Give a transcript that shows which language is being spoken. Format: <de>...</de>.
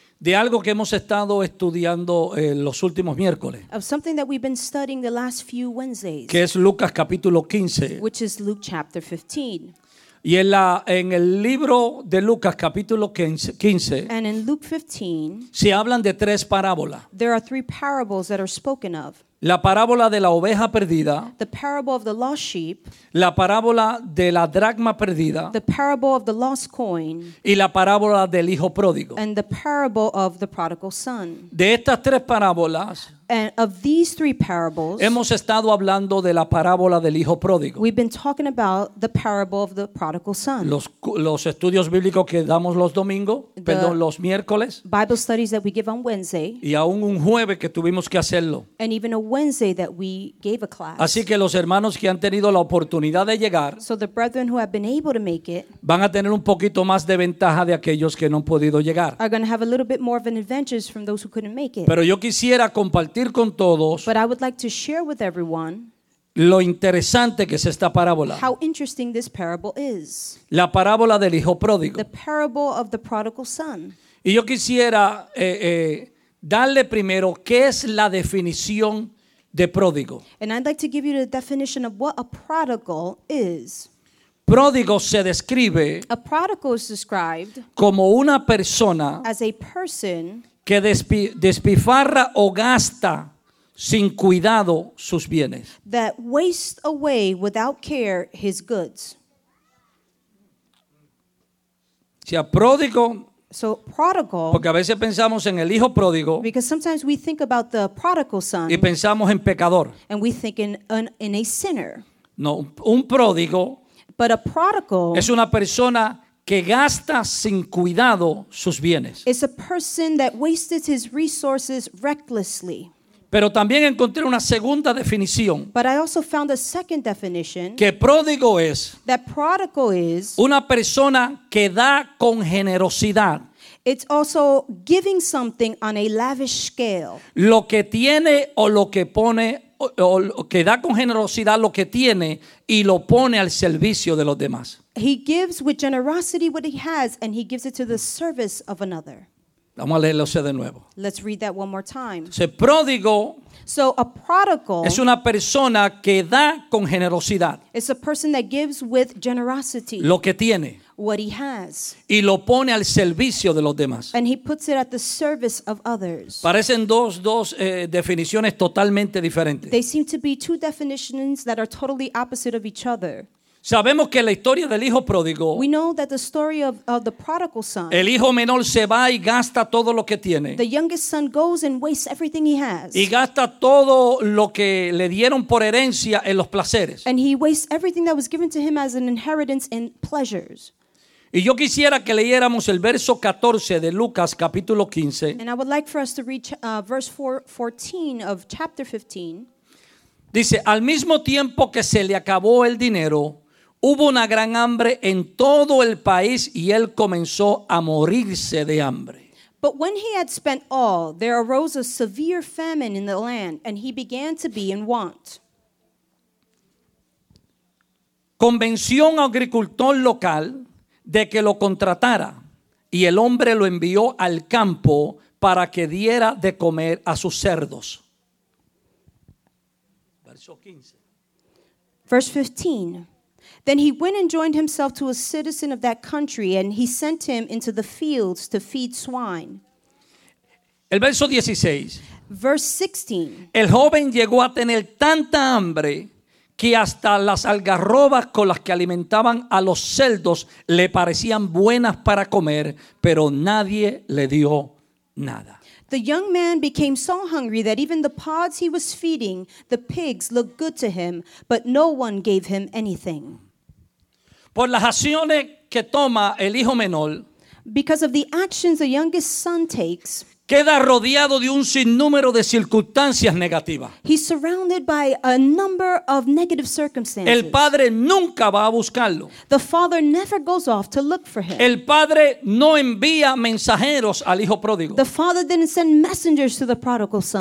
<es>De algo que hemos estado estudiando los últimos miércoles.</es> <en>Of something that we've been studying the last few Wednesdays.</en> <es>Que es Lucas capítulo 15.</es> <en>Which is Luke chapter 15.</en> <es>Y en la en el libro de Lucas capítulo 15,</es> <en>and in Luke 15</en> <es>se hablan de tres parábolas.</es> <en>There are three parables that are spoken of.</en> <es>La parábola de la oveja perdida.</es> <en>The parable of the lost sheep.</en> <es>La parábola de la dracma perdida.</es> <en>The parable of the lost coin.</en> <es>Y la parábola del hijo pródigo.</es> <en>And the parable of the prodigal son.</en> <es>De estas tres parábolas.</es> <en>And of these three parables,</en> <es>hemos estado hablando de la parábola del hijo pródigo.</es> <en>We've been talking about the parable of the prodigal son.</en> <es>Los estudios bíblicos que damos los domingos, perdón, los miércoles.</es> <en>Bible studies that we give on Wednesday.</en> <es>Y aún un jueves que tuvimos que hacerlo.</es> <en>And even a Wednesday that we gave a class.</en> <es>Así que los hermanos que han tenido la oportunidad de llegar,</es> <en>so the brethren who have been able to make it,</en> <es>van a tener un poquito más de ventaja de aquellos que no han podido llegar.</es> <en>Are going to have a little bit more of an advantage from those who couldn't make it.</en> <es>Pero yo quisiera compartir con todos,</es> <en>but I would like to share with everyone</en> <es>lo interesante que es esta parábola.</es> <en>How interesting this parable is.</en> <es>La parábola del hijo pródigo.</es> <en>The parable of the prodigal son.</en> <es>Y yo quisiera darle primero qué es la definición de pródigo.</es> <en>And I'd like to give you the definition of what a prodigal is.</en> <es>Pródigo se describe,</es> <en>a prodigal is described,</en> <es>como una persona,</es> <en>as a person,</en> <es>que despifarra o gasta sin cuidado sus bienes.</es> <en>That wastes away without care his goods.</en> <es>O sea, pródigo.</es> <en>So prodigal.</en> <es>Porque a veces pensamos en el hijo pródigo.</es> <en>Because sometimes we think about the prodigal son.</en> <es>Y pensamos en pecador.</es> <en>And we think in a sinner.</en> <es>No, un pródigo.</es> <en>But a prodigal.</en> <es>Es una persona que gasta sin cuidado sus bienes.</es> <en>It's a person that wasted his resources recklessly.</en> <es>Pero también encontré una segunda definición.</es> <en>But I also found a second definition.</en> <es>Que pródigo es,</es> <en>that prodigal is,</en> <es>una persona que da con generosidad.</es> <en>It's also giving something on a lavish scale.</en> <es>Lo que tiene o lo que pone, o que da con generosidad lo que tiene y lo pone al servicio de los demás.</es> <en>He gives with generosity what he has, and he gives it to the service of another.</en> <es>Vamos a leerlo de nuevo.</es> <en>Let's read that one more time.</en> <es>Se pródigo.</es> <en>So a prodigal</en> <es>es una persona que da con generosidad.</es> <en>It's a person that gives with generosity.</en> <es>Lo que tiene.</es> <en>What he has.</en> <es>Y lo pone al servicio de los demás.</es> <en>And he puts it at the service of others.</en> <es>Parecen dos definiciones totalmente diferentes.</es> <en>They seem to be two definitions that are totally opposite of each other.</en> <es>Sabemos que la historia del hijo pródigo.</es> <en>We know that the story of the prodigal son.</en> <es>El hijo menor se va y gasta todo lo que tiene.</es> <en>The youngest son goes and wastes everything he has.</en> <es>Y gasta todo lo que le dieron por herencia en los placeres.</es> <en>And he wastes everything that was given to him as an inheritance in pleasures.</en> <es>Y yo quisiera que leyéramos el verso 14 de Lucas capítulo 15.</es> <en>And I would like for us to read verse 14 of chapter 15.</en> <es>Dice, al mismo tiempo que se le acabó el dinero, hubo una gran hambre en todo el país y él comenzó a morirse de hambre.</es> <en>But when he had spent all, there arose a severe famine in the land and he began to be in want.</en> <es>Convenció a un agricultor local de que lo contratara y el hombre lo envió al campo para que diera de comer a sus cerdos. Verso 15.</es> <en>Verse 15. Then he went and joined himself to a citizen of that country, and he sent him into the fields to feed swine.</en> <es>El verso 16.</es> <en>Verse 16.</en> <es>El joven llegó a tener tanta hambre que hasta las algarrobas con las que alimentaban a los cerdos le parecían buenas para comer, pero nadie le dio nada.</es> <en>The young man became so hungry that even the pods he was feeding the pigs looked good to him, but no one gave him anything.</en> <es>Por las acciones que toma el hijo menor,</es> <en>because of the actions the youngest son takes,</en> <es>queda rodeado de un sinnúmero de circunstancias negativas.</es> <en>He's surrounded by a number of negative circumstances.</en> <es>El padre nunca va a buscarlo.</es> <en>The father never goes off to look for him.</en> <es>El padre no envía mensajeros al hijo pródigo.</es> <en>The father didn't send messengers to the prodigal son.</en>